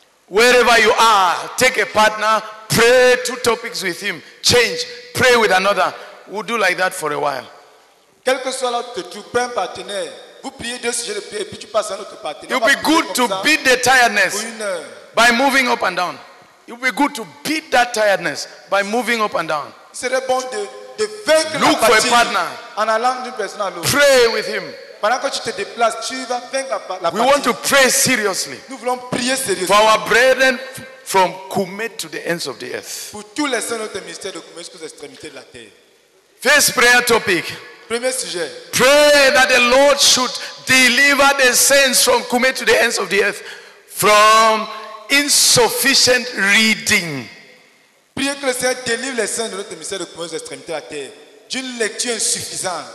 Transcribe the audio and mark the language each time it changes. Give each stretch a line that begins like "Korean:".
English: Wherever you are, take a partner, pray two topics with him, change, pray with another. We'll do like that for a while.
French: Quel que soit l'autre, tu prends un partenaire. Vous priez deux sujets de prière et puis tu passes à l'autre partenaire.
English: It'll be good to beat the tiredness by moving up and down. It'll be good to beat that tiredness by moving up and down.
French: Il serait bon de vaincre la fatigue.
English: Look for a partner.
French: En allant d'une personne à l'autre.
English: Pray with him.
French: Pendant que tu te déplaces, tu vas vaincre la fatigue.
English: We want to pray seriously.
French: Nous voulons prier sérieusement.
English: For our brethren from Kume to the ends of the earth.
French: Pour tous les saints de notre ministère de Kume jusqu'aux extrémités de la terre.
English: First prayer topic.
French: Premier sujet.
English: Pray that the Lord should deliver the saints from Kume to the ends of the earth from insufficient reading.
French: Priez que le Seigneur délivre les saints de notre ministère de Kume aux extrémités de la terre d'une lecture insuffisante.